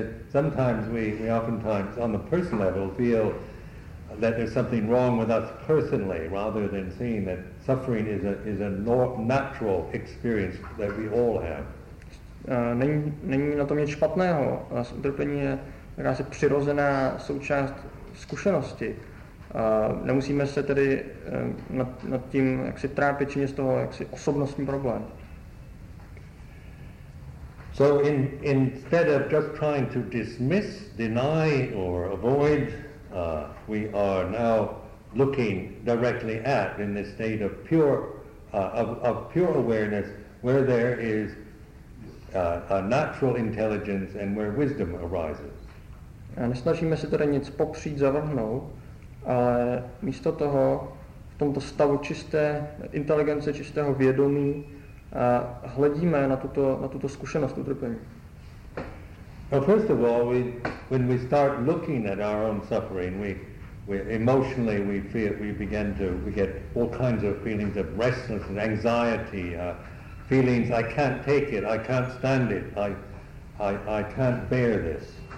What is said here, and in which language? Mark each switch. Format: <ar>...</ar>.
<en>And sometimes we oftentimes, on the personal level, feel that there's something wrong with us personally, rather than seeing that suffering is a natural experience that we all have.</en> <cs>Není na tom nic špatného. Utrpení je jakási přirozená součást zkušenosti. Nemusíme se tedy nad tím jaksi trápit, či z toho jaksi osobnostní problém.</cs> <en>So instead of just trying to dismiss, deny, or avoid, we are now looking directly at, in this state of pure awareness, where there is a natural intelligence and where wisdom arises.</en> <cs>A nesnažíme se teda nic popřít, zavrhnout, ale místo toho v tomto stavu čisté inteligence, čistého vědomí, a hledíme na tuto zkušenost utrpení.</cs> <en>Well, first of all, when we start looking at our own suffering, we emotionally get all kinds of feelings of restlessness and anxiety, feelings I can't take it, I can't stand it, I can't bear this.</en>